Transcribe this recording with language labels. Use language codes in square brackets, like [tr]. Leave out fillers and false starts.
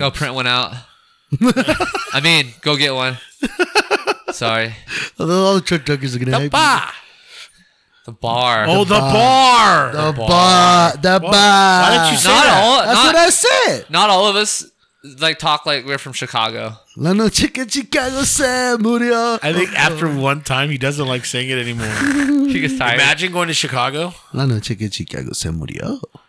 [en] Go print one out. I mean, go get one. Sorry. All the truck drivers are gonna the bar. The bar. Oh, the bar. The bar. The bar. Why didn't you say not that? That's what I said. Not all of us. Like talk like we're from Chicago. [es] La noche que Chicago se murió. [en] I think after one time he doesn't like saying it anymore. He gets tired. Imagine going to Chicago. [es] La noche que Chicago se murió.